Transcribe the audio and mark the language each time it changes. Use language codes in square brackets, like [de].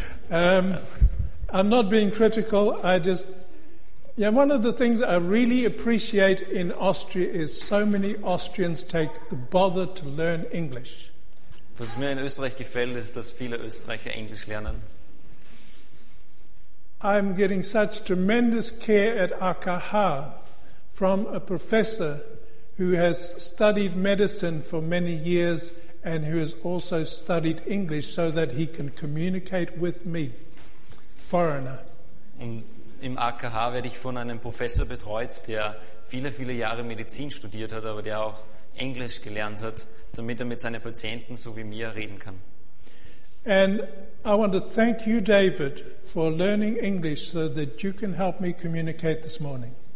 [en] I'm not being critical. One of the things I really appreciate in Austria is so many Austrians take the bother to learn English. [de] Was mir in Österreich gefällt, ist, dass viele Österreicher Englisch lernen. [en] I'm getting such tremendous care at AKH from a professor who has studied medicine for many years and who has also studied English so that he can communicate with me, foreigner. [de] Und im AKH werde ich von einem Professor betreut, der viele, viele Jahre Medizin studiert hat, aber der auch Englisch gelernt hat, damit mit seinen Patienten so wie mir reden kann. [en] And I want to thank you, David, for learning English so that you can help me communicate this morning.